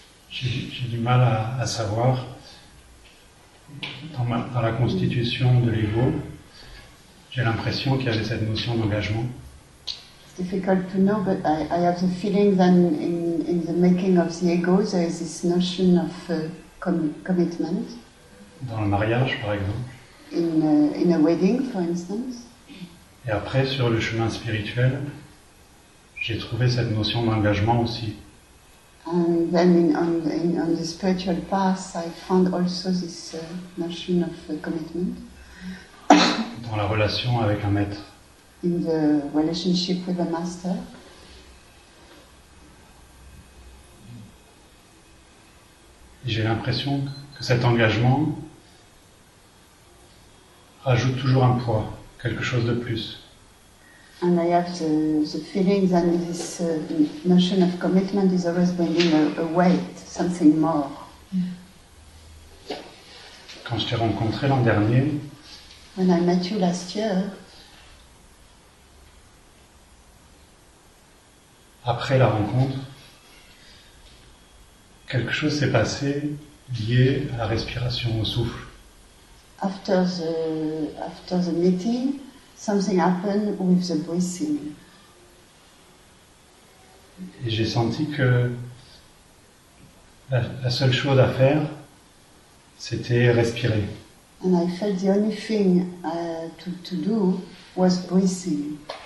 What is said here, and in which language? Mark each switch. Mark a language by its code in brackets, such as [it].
[fr] J'ai du mal à savoir dans la constitution de l'ego. J'ai l'impression qu'il y avait cette notion d'engagement. [en] Difficult to know, but I have the feeling that in the making of the ego, there is this notion of commitment. [fr] Dans le mariage, par exemple. [en] In a wedding, for instance. [fr] Et après, sur le chemin spirituel, j'ai trouvé cette notion d'engagement aussi. [en] And then on the spiritual path, I found also this notion of commitment. [fr] Dans la relation avec un maître. [en] In the relationship with the master. [fr] J'ai l'impression que cet engagement rajoute toujours un poids, quelque chose de plus. [en] And I have the feeling that this notion of commitment is always bringing a weight, something more. [fr] Quand je t'ai rencontré l'an dernier, [en] when I met you last year, [fr] après la rencontre, quelque chose s'est passé lié à la respiration, au souffle. [en] After the meeting, something happened with the breathing. [fr] Et j'ai senti que la seule chose à faire, c'était respirer. [en] And I felt the only thing to do was breathing.